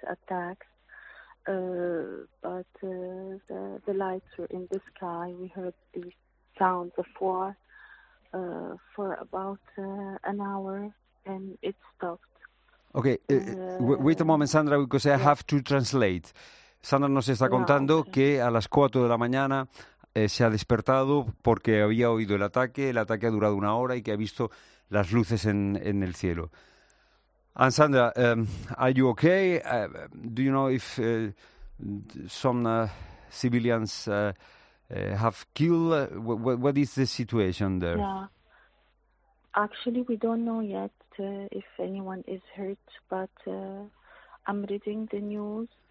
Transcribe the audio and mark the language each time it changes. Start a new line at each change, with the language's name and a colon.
English: attack, but the lights were in the sky. We heard the sounds of war for about an hour, and it stopped. Okay, wait a moment, Sandra, because I have to translate.
Spanish: Sandra nos está contando que a las 4 de la mañana se ha despertado porque había oído el ataque. El ataque ha durado una hora y que ha visto las luces en el cielo.
English: And Sandra, are you okay? Do you know if some civilians have killed. What is the situation there? Yeah. Actually, we don't know yet if anyone is hurt, but I'm reading the news.